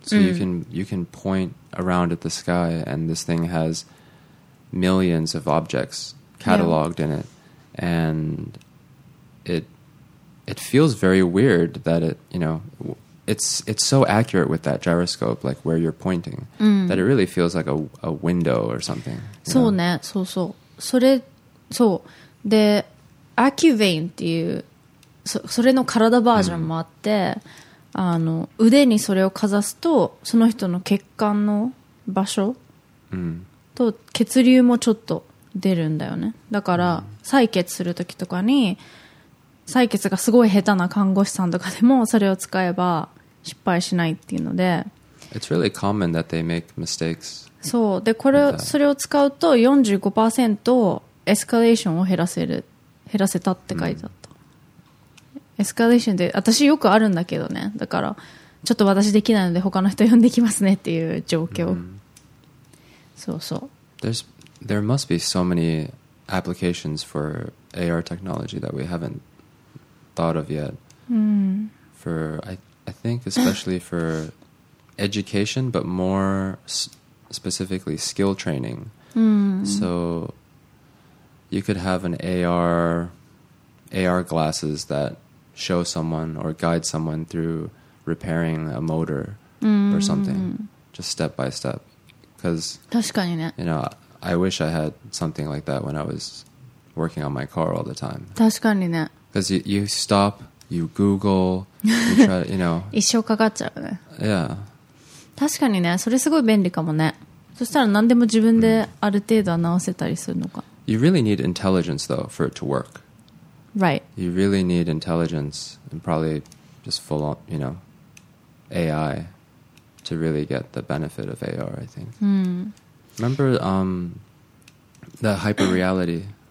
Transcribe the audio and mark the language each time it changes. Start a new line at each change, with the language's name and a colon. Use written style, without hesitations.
English: So you can point around at the sky, and this thing has millions of objects cataloged in it. And it feels very weird that it, you know... It's so accurate with that gyroscope, like where you're pointing,、
Japanese: うん、
English: that it really feels like a window or something.
Japanese: そうね、そうそう。それ、そう。で、Accuvain っていう、それの体バージョンもあって、うん、あの、腕にそれをかざすと、その人の血管の場所、うん、と血流もちょっと出るんだよね。だから、うん、採血するときとかに、採血がすごい下手な看護師さんとかでもそれを使えば失敗しないっていうので、
English: It's really common that they make mistakes.
Japanese: そうで、これそれを使うと 45% エスカレーションを減らせたって書いてあった、mm. エスカレーションって私よくあるんだけどね、だからちょっと私できないので他の人呼んできますねっていう状況、mm. そうそう。
English: There must be so many applications for AR technology that we haven'tThought of yet、 mm. for I think especially for education, but more specifically skill training.、Mm. So you could have an AR glasses that show someone or guide someone through repairing a motor、mm. or something, just step by step. Because, you know, I wish I had something like that when I was working on my car all the time.
Japanese: 確かにね。
English: Because you stop, you Google, you try, you know.
Japanese: 一生かかっちゃうね。
English: Yeah.
Japanese: 確かにね、それすごい便利かもね。そしたら何でも自分である程度は直せたりするのか。
English: You really need intelligence, though, for it to work. Right. You really need intelligence and probably just full on, you know, AI to really get the benefit of AR, I think.、 Mm. Remember the hyper-reality